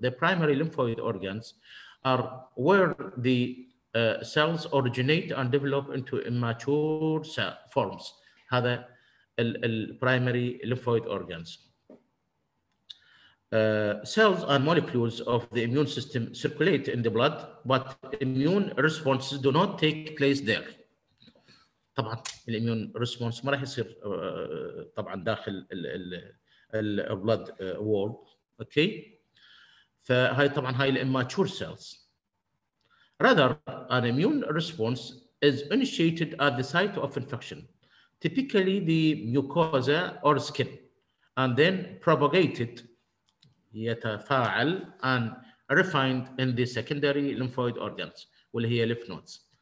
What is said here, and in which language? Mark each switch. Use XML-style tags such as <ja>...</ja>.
<en>The primary lymphoid organs are where the cells originate and develop into immature cell forms. هذا ال primary lymphoid organs. cells and molecules of the immune system circulate in the blood, but immune responses do not take place there.</en> <ar>طبعا الاميون ريسبونس ما راح يصير طبعا داخل البلد وول. اوكي، فهاي طبعا هاي الاماتشور سيلز.</ar> <en>Rather, an immune response is initiated at the site of infection, typically the mucosa or skin, and then propagated, يتفاعل, and refined in the secondary lymphoid organs,</en> <ar>واللي هي</ar> <en>lymph nodes.</en>